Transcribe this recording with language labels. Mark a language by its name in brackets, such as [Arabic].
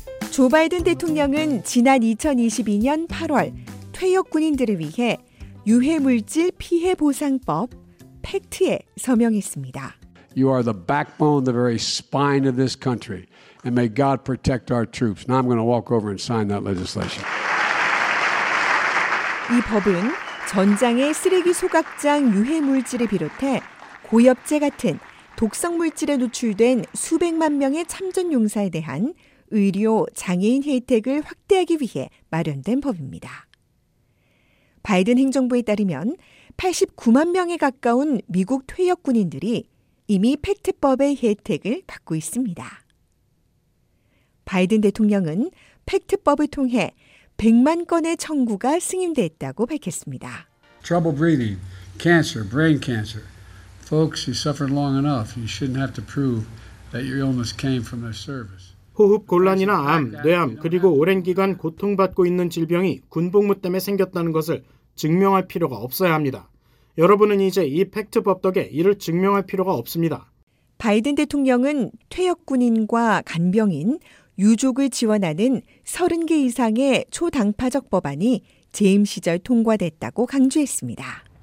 [Korean] 조 바이든 대통령은 지난 2022년 8월 퇴역군인들을 위해 유해물질 피해보상법 팩트에 서명했습니다. [English] You are the backbone, the very spine of this country. And may God protect our troops. Now I'm going to walk over and sign that legislation. [Korean] 이 법은 전장의 쓰레기 소각장 유해물질을 비롯해 고엽제 같은 독성 물질에 노출된 수백만 명의 참전 용사에 대한 의료 장애인 혜택을 확대하기 위해 마련된 법입니다. 바이든 행정부에 따르면 89만 명에 가까운 미국 퇴역 군인들이 이미 팩트법의 혜택을 받고 있습니다. 바이든 대통령은 팩트법을 통해 100만 건의 청구가 승인됐다고 밝혔습니다. [English] Trouble breathing, cancer, brain cancer. Folks, you suffered long enough. You shouldn't have to prove that your illness came from their service. [Korean] 호흡 곤란이나 암, 뇌암, 그리고 오랜 기간 고통받고 있는 질병이 군복무 때문에 생겼다는 것을 증명할 필요가 없어야 합니다. 여러분은 이제 이 팩트법 덕에 이를 증명할 필요가 없습니다. 바이든 대통령은 퇴역군인과 간병인, 유족을 지원하는 30개 이상의 초당파적 법안이 재임 시절 통과됐다고 강조했습니다.